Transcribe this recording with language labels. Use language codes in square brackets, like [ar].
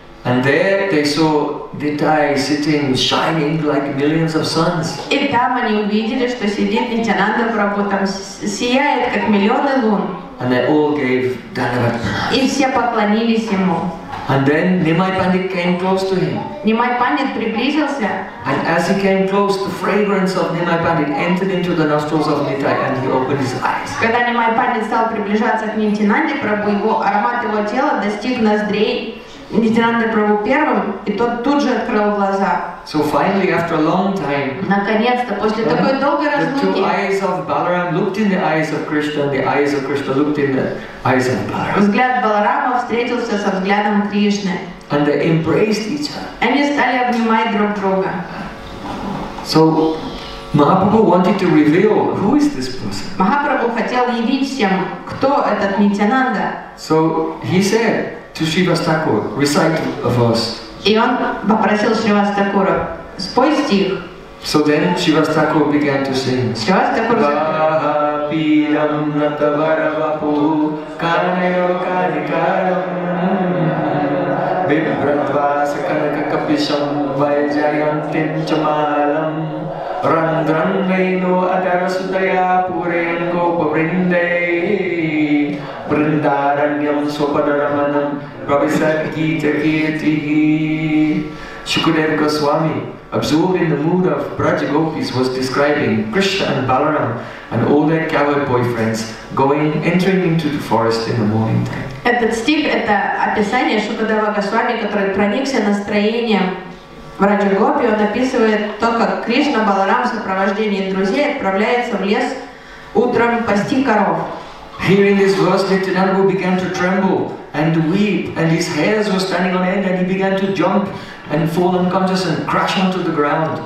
[en] And there they saw Nitai sitting, shining like millions of suns. [ru] И там они увидели, что сидит Нитянанда Прабху, там сияет как миллионы лун. [en] And they all gave Dandavat. [ru] И все поклонились ему. [en] And then Nimai Pandit came close to him. [ru] Nimai Pandit приблизился. [en] And as he came close, the fragrance of Nimai Pandit entered into the nostrils of Nitai, and he opened his eyes. [ru] Когда Nimai Pandit стал приближаться к Нитянанде Прабху, его аромат его тела достиг ноздрей Нитянанды Прабху первым, и тот тут же открыл глаза. [en] So finally, after a long time, [ru] наконец-то после такой долгой разлуки, [en] the two eyes of Balaram looked in the eyes of Krishna, and the eyes of Krishna looked in the eyes of Balaram. [ru] Взгляд Баларама встретился со взглядом Кришны. [en] And they embraced each other. [ru] Они стали обнимать друг друга. [en] So Mahaprabhu wanted to reveal who is this person. [ru] Махапрабху хотел явить всем, кто этот Нитянанда. [en] So he said to Srivas Thakur, "Recite a verse." [ru] И он попросил Шривас Такура: "Спой стих." [en] So then Shrivas Thakur began to sing. [ru] Шривас Такур [sa] Ваха пилам натавара вапу Канайо карикарам Вибратваса канака капишам Вайджайантин чамалам Рандран вейну адара сутая Пурен гопа бриндей Бриндараньям супадараманам Prabhisat Gita Kirtihi. [en] Shukadev Goswami, absorbed in the mood of Braj Gopis, was describing Krishna and Balaram and all their cowherd boyfriends going, entering into the forest in the morning time. [ru] Этот стих — это описание Шукадева Госвами, который проникся настроением Браджа Гопи. Он описывает то, как Кришна Баларам в сопровождении друзей отправляется в лес утром пасти коров. [en] Hearing this verse, Nityananda began to tremble and weep, and his hairs were standing on end, and he began to jump and fall unconscious and crash onto the ground.